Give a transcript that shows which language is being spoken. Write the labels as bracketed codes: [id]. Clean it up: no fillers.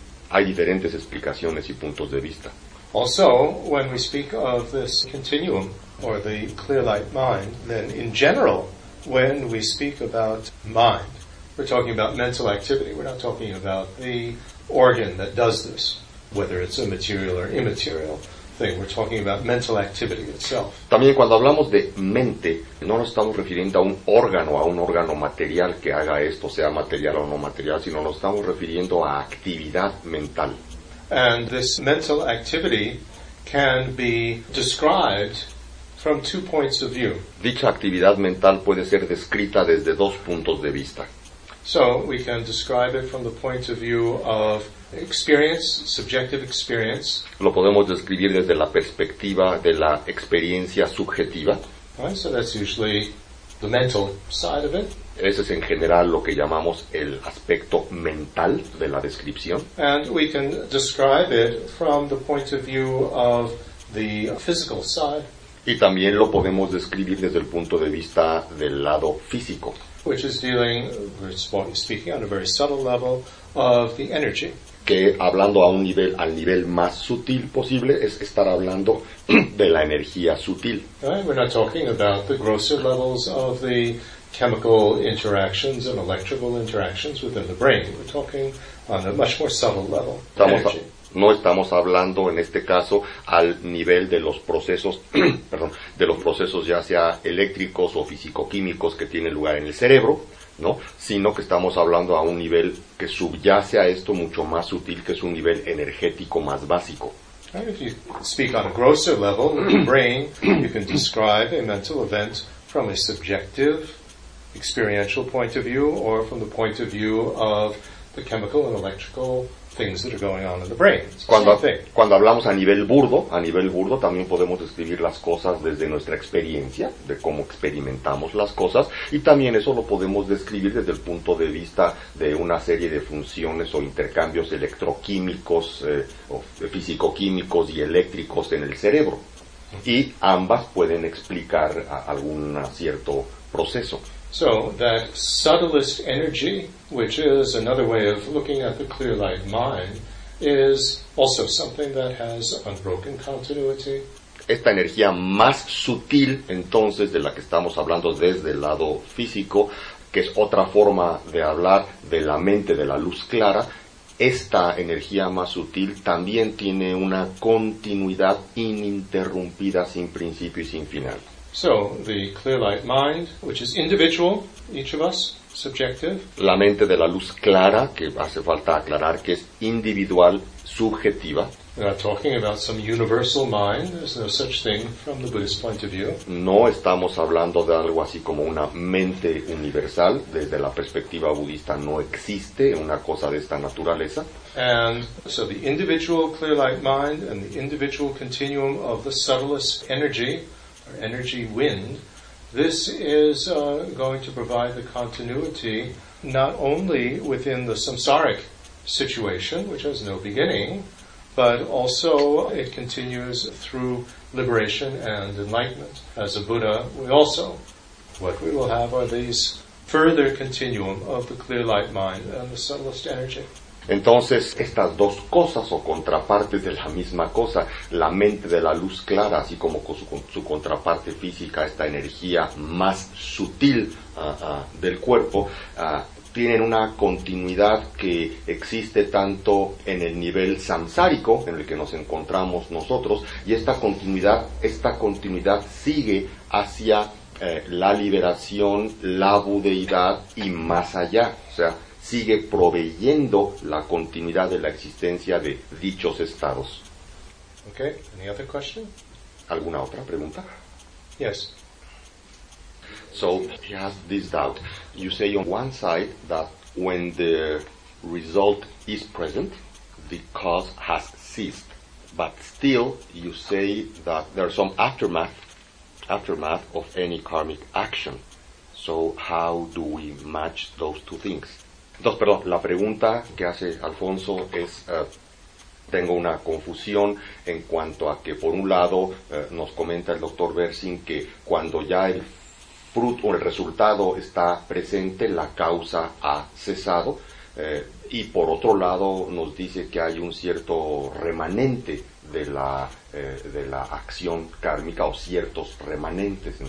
[es] Hay diferentes explicaciones y puntos de vista. [en] Also, when we speak of this continuum or the clear light mind, then in general, when we speak about mind, we're talking about mental activity. We're not talking about the organ that does this, whether it's a material or immaterial thing. We're talking about mental activity itself. [es] También cuando hablamos de mente, no nos estamos refiriendo a un órgano material que haga esto, sea material o no material, sino nos estamos refiriendo a actividad mental. [en] And this mental activity can be described from two points of view. [es] Dicha actividad mental puede ser descrita desde dos puntos de vista. [en] So we can describe it from the point of view of experience, subjective experience. [es] Lo podemos describir desde la perspectiva de la experiencia subjetiva. [en] Right, so that's usually the mental side of it. [es] Ese es en general lo que llamamos el aspecto mental de la descripción. [en] And we can describe it from the point of view of the physical side. [es] Y también lo podemos describir desde el punto de vista del lado físico. [en] Which is dealing, speaking on a very subtle level, of the energy. [es] Que hablando a un nivel, al nivel más sutil posible, es estar hablando de la energía sutil. [en] Right? We're not talking about the grosser levels of the chemical interactions and electrical interactions within the brain. We're talking on a much more subtle level. [es] No estamos hablando en este caso al nivel de los procesos, perdón, de los procesos ya sea eléctricos o físico-químicos que tienen lugar en el cerebro, ¿no? Sino que estamos hablando a un nivel que subyace a esto mucho más sutil, que es un nivel energético más básico. [en] And if you speak on a grosser level, the brain, you can describe a mental event from a subjective experiential point of view or from the point of view of the chemical and electrical things that are going on in the brain. [es] Cuando hablamos a nivel burdo, también podemos describir las cosas desde nuestra experiencia, de cómo experimentamos las cosas, y también eso lo podemos describir desde el punto de vista de una serie de funciones o intercambios electroquímicos, o físico-químicos y eléctricos en el cerebro. Y ambas pueden explicar algún cierto proceso. [en] So that subtlest energy, which is another way of looking at the clear light mind, is also something that has unbroken continuity. [es] Esta energía más sutil, entonces, de la que estamos hablando desde el lado físico, que es otra forma de hablar de la mente, de la luz clara, esta energía más sutil también tiene una continuidad ininterrumpida, sin principio y sin final. [en] So, the clear light mind, which is individual, each of us, subjective. [es] La mente de la luz clara, que hace falta aclarar que es individual, subjetiva. [en] We're not talking about some universal mind. There's no such thing from the Buddhist point of view. [es] No estamos hablando de algo así como una mente universal. Desde la perspectiva budista no existe una cosa de esta naturaleza. [en] And so the individual clear light mind and the individual continuum of the subtlest energy, or energy wind, this is going to provide the continuity not only within the samsaric situation, which has no beginning, but also it continues through liberation and enlightenment. As a Buddha, we also what we will have are these further continuum of the clear light mind and the subtlest energy. [es] Entonces, estas dos cosas o contrapartes de la misma cosa, la mente de la luz clara, así como su contraparte física, esta energía más sutil del cuerpo, tienen una continuidad que existe tanto en el nivel samsárico, en el que nos encontramos nosotros, y esta continuidad sigue hacia la liberación, la budeidad y más allá, o sea, sigue proveyendo la continuidad de la existencia de dichos estados. [en] Okay, any other question? [es] ¿Alguna otra pregunta? [en] Yes. So, he has this doubt. You say on one side that when the result is present, the cause has ceased. But still, you say that there's some aftermath of any karmic action. So, how do we match those two things? [es] Entonces, perdón, la pregunta que hace Alfonso es, tengo una confusión en cuanto a que, por un lado, nos comenta el doctor Bersin que cuando ya el fruto o el resultado está presente, la causa ha cesado, y por otro lado nos dice que hay un cierto remanente de la acción kármica o ciertos remanentes.